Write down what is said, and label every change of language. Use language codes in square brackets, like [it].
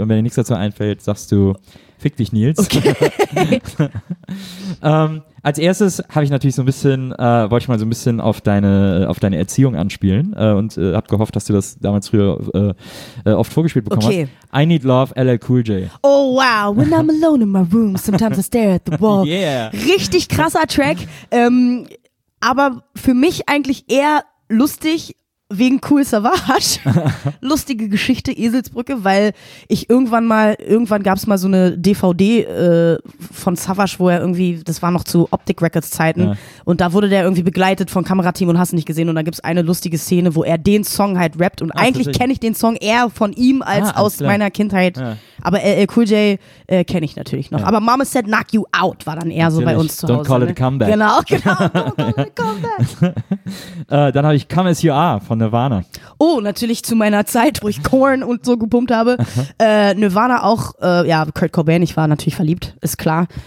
[de] Und wenn dir nichts dazu einfällt, sagst du, fick dich, Nils. Okay. Als erstes habe ich natürlich so ein bisschen, wollte ich mal so ein bisschen auf deine Erziehung anspielen und habe gehofft, dass du das damals früher oft vorgespielt bekommen hast. Okay. [en] I Need Love, LL Cool J. Oh wow, when I'm alone in my room, sometimes I stare at the wall. Yeah. [de] Richtig krasser Track, aber für mich eigentlich eher lustig wegen Cool Savage. Lustige Geschichte, Eselsbrücke, weil ich irgendwann gab es mal so eine DVD von Savage, wo er irgendwie, das war noch zu Optik Records Zeiten, und da wurde der irgendwie begleitet von Kamerateam und hast ihn nicht gesehen, und da gibt es eine lustige Szene, wo er den Song halt rappt, und eigentlich kenne ich den Song eher von ihm als aus meiner Kindheit. Ja. Aber Cool J kenne ich natürlich noch. Ja. Aber Mama Said Knock You Out war dann eher so bei uns zu Hause. [en] Don't call it a comeback. [de] Genau, [en] don't call it a comeback. [de] Dann habe ich Come As You Are von Nirvana. Oh, natürlich zu meiner Zeit, wo ich Korn und so gepumpt habe. Nirvana auch, Kurt Cobain, ich war natürlich verliebt, ist klar.